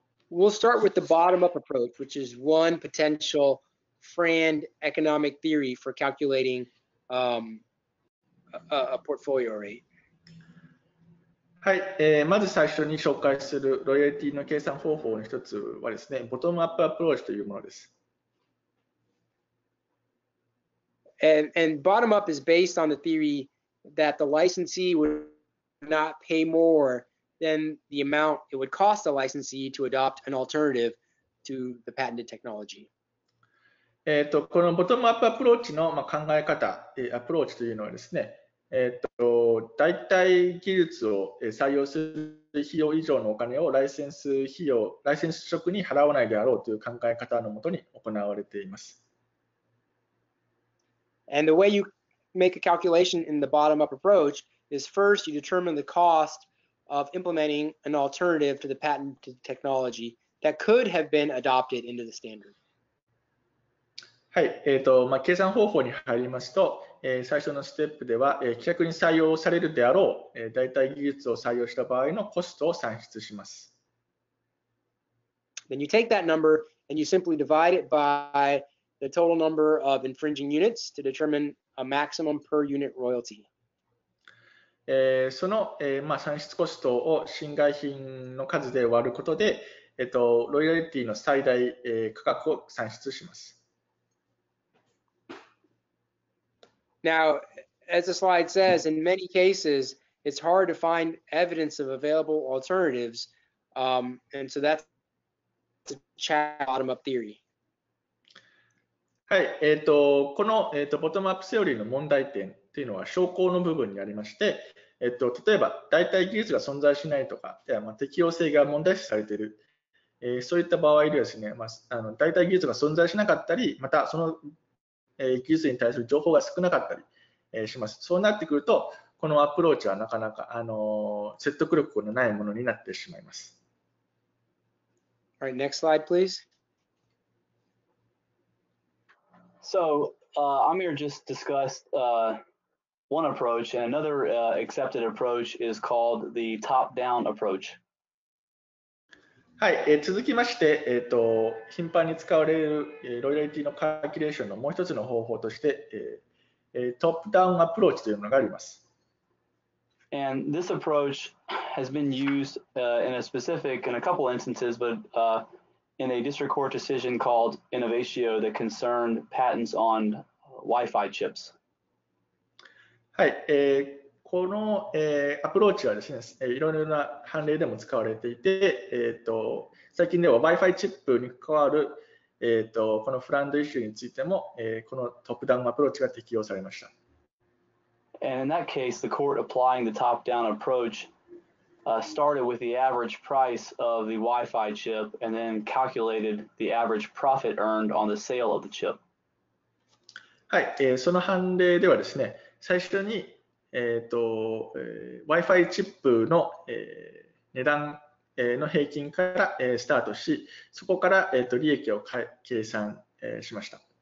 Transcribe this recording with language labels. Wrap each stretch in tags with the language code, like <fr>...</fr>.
<en>We'll start with the bottom-up approach, which is one potential FRAND economic theory for calculating a portfolio rate.</en> <ja>はい、まず最初に紹介するロイヤリティの計算方法の一つはですね、ボトムアップアプローチというものです。</ja> <en>And bottom up is based on the theory that the licensee would not pay more than the amount it would cost the licensee to adopt an alternative to the patented technology.</en> <ja>このボトムアップアプローチの考え方、アプローチというのはですね、代替技術を採用する費用以上のお金をライセンス職に払わないであろうという考え方のもとに行われています。</ja> <en>And the way you make a calculation in the bottom-up approach is first you determine the cost of implementing an alternative to the patented technology that could have been adopted into the standard.</en> <ja>はい、まあ、計算方法に入りますと、最初のステップでは、規約に採用されるであろう、代替技術を採用した場合のコストを算出します。</ja> <en>Then you take that number and you simply divide it by the total number of infringing units to determine a maximum per unit royalty.</en> <ja>その、まあ、算出コストを侵害品の数で割ることで、ロイヤリティの最大、価格を算出します。</ja> <en>Now, as the slide says, in many cases, it's hard to find evidence of available alternatives, and so that's a bottom-up theory.</en> <ja>はい、この、ボトムアップセオリーの問題点というのは証拠の部分にありまして、例えば代替技術が存在しないとか、ではまあ適用性が問題視されている、そういった場合ではですね、まあ、代替技術が存在しなかったり、またその技術に対する情報が少なかったりします。そうなってくると、このアプローチはなかなか説得力のないものになってしまいます。</ja> <en>All right, next slide, please. So, Amir just discussed one approach, and another accepted approach is called the top-down approach.</en> <ja>はい、続きまして、頻繁に使われる、ロイヤリティのカーキュレーションのもう一つの方法として、トップダウンアプローチというものがあります。</ja> <en>And this approach has been used in a specific, in a couple instances, but in a district court decision called Innovatio that concerned patents on Wi-Fi chips.</en> <ja>はい、このアプローチはですね、いろいろな判例でも使われていて、最近では Wi-Fi チップに関わる、このフランドイシューについても、このトップダウンアプローチが適用されました。</ja> <en>And in that case, the court applying the top-down approach started with the average price of the Wi-Fi chip and then calculated the average profit earned on the sale of the chip.</en> <ja>はい、その判例ではですね、最初にWi-Fi チップの、値段、の平均から、スタートし、そこから、利益を計算、しました。</ja>